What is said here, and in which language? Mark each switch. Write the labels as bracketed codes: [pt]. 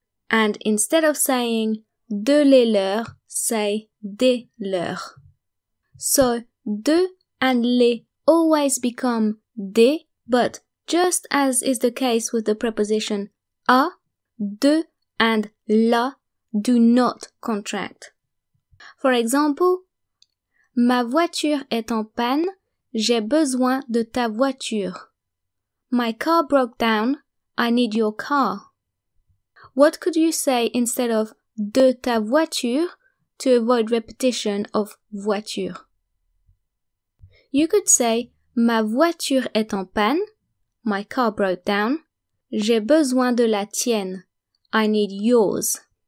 [en] And instead of saying de les leurs, say des leurs. So de and les always become des, but just as is the case with the preposition à, de and la do not contract. For example, [fr] ma voiture est en panne, j'ai besoin de ta voiture. [en] My car broke down, I need your car. What could you say instead of de ta voiture to avoid repetition of voiture? You could say, [fr] ma voiture est en panne, [en] my car broke down, [fr] j'ai besoin de la tienne, [en] I need yours.